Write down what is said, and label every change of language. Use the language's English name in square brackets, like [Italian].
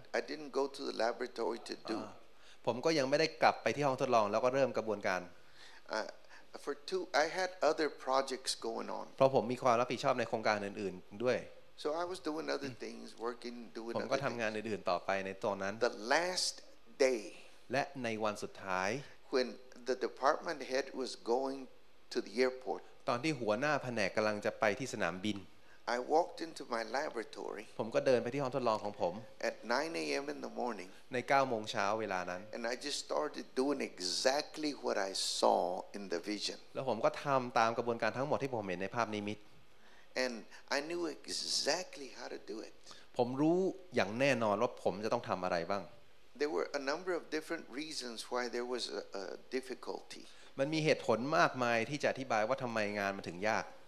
[English] I didn't go to the laboratory to do. [Thai] ผมก็ยังไม่ได้กลับไปที่ห้องทดลองแล้วก็เริ่มกระบวนการ [English] For two, I had other projects going on. [Thai] เพราะผมมีความรับผิดชอบในโครงการอื่นๆด้วย [English] So I was doing other things, working, doing other things. [Thai] ผมก็ทำงานอื่นๆต่อไปในตอนนั้น [English] The last day. [Thai] และในวันสุดท้าย [English] When the department head was going to the airport, [Thai] ตอนที่หัวหน้าแผนกกำลังจะไปที่สนามบิน [English] I walked into my laboratory. [Thai] ผมก็เดินไปที่ห้องทดลองของผม [English] At 9 a.m. in the morning. [Thai] ใน 9 โมงเช้าเวลานั้น [English] And I just started doing exactly what I saw in the vision. [Thai] แล้วผมก็ทำตามกระบวนการทั้งหมดที่ผมเห็นในภาพนิมิต [English] And I knew exactly how to do it. [Thai] ผมรู้อย่างแน่นอนว่าผมจะต้องทำอะไรบ้าง [English] There were a number of different reasons why there was a difficulty. [Thai] มันมีเหตุผลมากมายที่จะอธิบายว่าทำไมงานมันถึงยาก